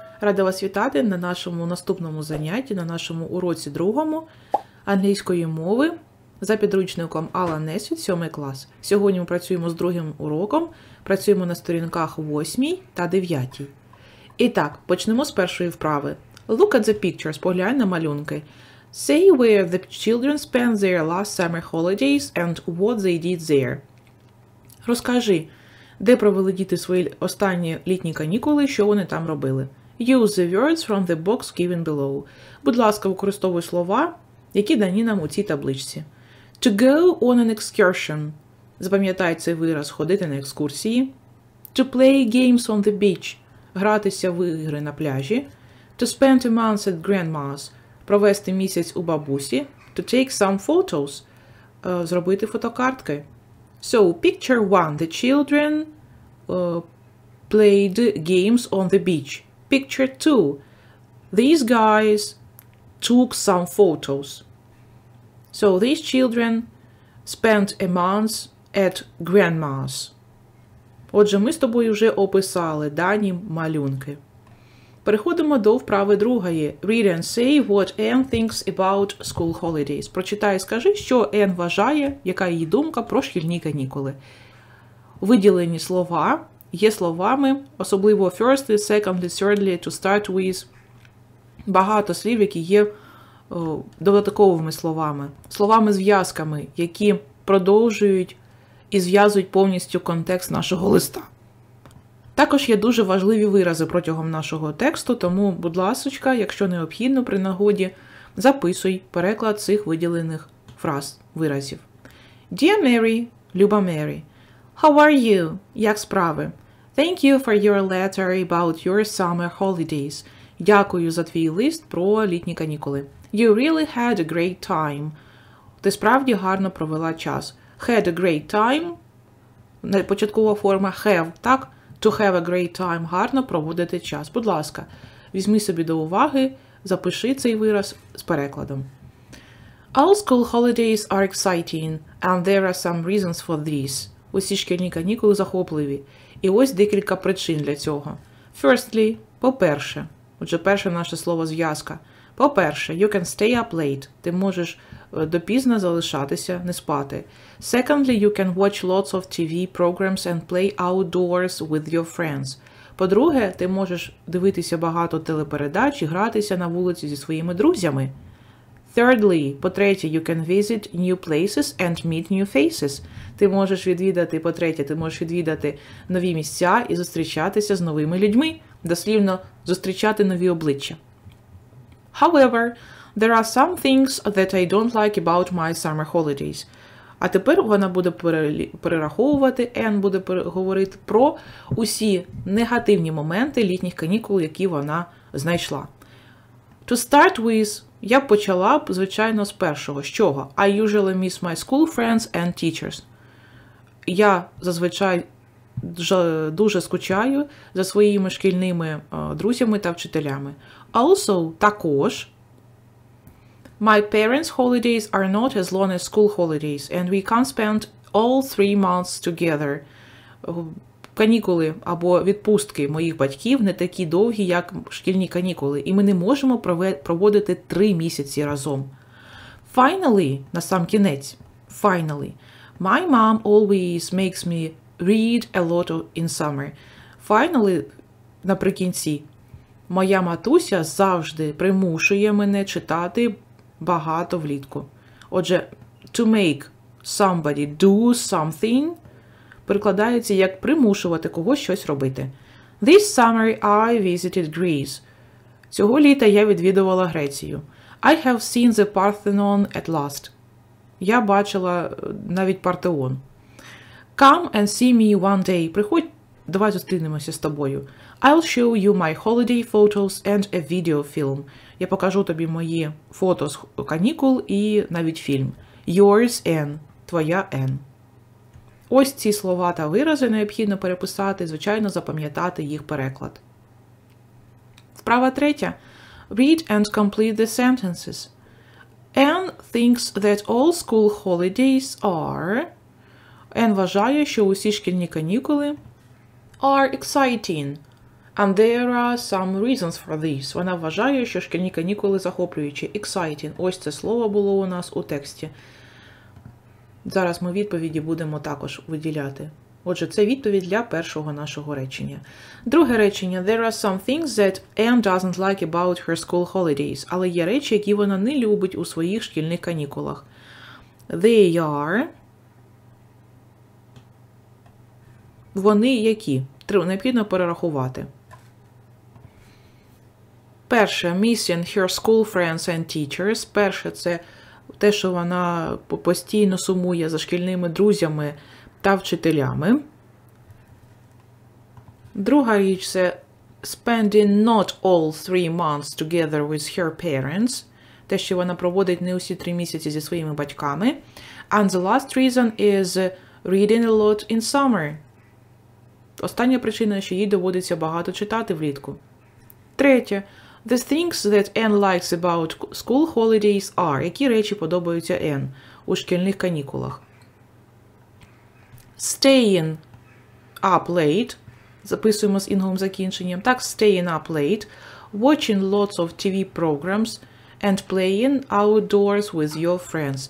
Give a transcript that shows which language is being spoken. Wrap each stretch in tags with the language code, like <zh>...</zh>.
<uk>Рада вас вітати на нашому наступному занятті, на нашому уроці другому англійської мови за підручником Alan Nesbitt, 7 клас. Сьогодні ми працюємо з другим уроком, працюємо на сторінках 8 та 9. І так, почнемо з першої вправи.</uk> <en>Look at the pictures,</en> <uk>поглянь на малюнки.</uk> <en>Say where the children spent their last summer holidays and what they did there.</en> <uk>Розкажи, де провели діти свої останні літні канікули, що вони там робили.</uk> <en>Use the words from the box given below.</en> <uk>Будь ласка, використовуй слова, які дані нам у цій табличці.</uk> <en>To go on an excursion.</en> <uk>Запам'ятай цей вираз, ходити на екскурсії.</uk> <en>To play games on the beach.</en> <uk>Гратися в ігри на пляжі.</uk> <en>To spend a month at grandma's.</en> <uk>Провести місяць у бабусі.</uk> <en>To take some photos.</en> <uk>Зробити фотокартки.</uk> <en>So, picture one. The children played games on the beach. Picture two. These guys took some photos. So, these children spent a month at grandma's.</en> <uk>Отже, ми з тобою вже описали дані малюнки. Переходимо до вправи другої.</uk> <en>Read and say what Anne thinks about school holidays.</en> <uk>Прочитай і скажи, що Anne вважає, яка її думка про шкільні канікули. Виділені слова є словами, особливо</uk> <en>firstly, secondly, thirdly, to start with.</en> <uk>Багато слів, які є додатковими словами. Словами-зв'язками, які продовжують і зв'язують повністю контекст нашого листа. Також є дуже важливі вирази протягом нашого тексту, тому, будь ласочка, якщо необхідно при нагоді, записуй переклад цих виділених фраз, виразів.</uk> <en>Dear Mary,</en> <uk>люба Мері,</uk> <en>how are you?</en> <uk>Як справи?</uk> <en>Thank you for your letter about your summer holidays.</en> <uk>Дякую за твій лист про літні канікули.</uk> <en>You really had a great time.</en> <uk>Ти справді гарно провела час.</uk> <en>Had a great time.</en> <uk>Початкова форма have, так?</uk> <en>To have a great time</en> <uk>– гарно проводити час. Будь ласка, візьми собі до уваги, запиши цей вираз з перекладом.</uk> <en>All school holidays are exciting, and there are some reasons for this.</en> <uk>Усі шкільні канікули захопливі. І ось декілька причин для цього.</uk> <en>Firstly</en> <uk>– по-перше. Отже, перше наше слово-зв'язка. По-перше,</uk> <en>you can stay up late.</en> <uk>Ти можеш допізно залишатися, не спати.</uk> <en>Secondly, you can watch lots of TV programs and play outdoors with your friends.</en> <uk>По-друге, ти можеш дивитися багато телепередач і гратися на вулиці зі своїми друзями.</uk> <en>Thirdly,</en> <uk>по-третє,</uk> <en>you can visit new places and meet new faces.</en> <uk>Ти можеш відвідати нові місця і зустрічатися з новими людьми. Дослівно, зустрічати нові обличчя.</uk> <en>However, there are some things that I don't like about my summer holidays.</en> <uk>А тепер вона буде перераховувати, Anne буде говорити про усі негативні моменти літніх канікул, які вона знайшла.</uk> <en>To start with,</en> <uk>я почала б, звичайно, з першого. З чого?</uk> <en>I usually miss my school friends and teachers.</en> <uk>Я зазвичай дуже скучаю за своїми шкільними друзями та вчителями.</uk> <en>Also,</en> <uk>також,</uk> <en>my parents' holidays are not as long as school holidays, and we can't spend all 3 months together.</en> <uk>Канікули або відпустки моїх батьків не такі довгі, як шкільні канікули, і ми не можемо проводити 3 місяці разом. Finally, на сам кінець,</uk> <en>finally, my mom always makes me read a lot in summer.</en> <uk>Finally, наприкінці, моя матуся завжди примушує мене читати багато влітку.</uk> <en>Отже, to make somebody do something</en> <uk>перекладається як примушувати когось щось робити.</uk> <en>This summer I visited Greece.</en> <uk>Цього літа я відвідувала Грецію.</uk> <en>I have seen the Parthenon at last.</en> <uk>Я бачила навіть Партеон.</uk> <en>Come and see me one day.</en> <uk>Приходь, давай зустрінемося з тобою.</uk> <en>I'll show you my holiday photos and a video film.</en> <uk>Я покажу тобі мої фото з канікул і навіть фільм.</uk> <en>Yours, Anne.</en> <uk>Твоя, Anne. Ось ці слова та вирази необхідно переписати, звичайно, запам'ятати їх переклад. Вправа третя.</uk> <en>Read and complete the sentences. Anne thinks that all school holidays are...</en> <uk>Anne вважає, що усі шкільні канікули...</uk> <en>are exciting. And there are some reasons for this.</en> <uk>Вона вважає, що шкільні канікули захоплюючі.</uk> <en>Exciting.</en> <uk>Ось це слово було у нас у тексті. Зараз ми відповіді будемо також виділяти. Отже, це відповідь для першого нашого речення. Друге речення.</uk> <en>There are some things that Anne doesn't like about her school holidays.</en> <uk>Але є речі, які вона не любить у своїх шкільних канікулах.</uk> <en>They are...</en> <uk>Вони які? Треба необхідно перерахувати.</uk> <en>Перше – missing her school friends and teachers.</en> <uk>Перше – це те, що вона постійно сумує за шкільними друзями та вчителями. Друга річ – це</uk> <en>spending not all three months together with her parents.</en> <uk>Те, що вона проводить не усі три місяці зі своїми батьками.</uk> <en>And the last reason is reading a lot in summer.</en> <uk>Остання причина, що їй доводиться багато читати влітку. Третє.</uk> <en>The things that Anne likes about school holidays are.</en> <uk>Які речі подобаються Anne у шкільних канікулах?</uk> <en>Staying up late.</en> <uk>Записуємо з інговим закінченням.</uk> <en>Так, staying up late. Watching lots of TV programs. And playing outdoors with your friends.</en>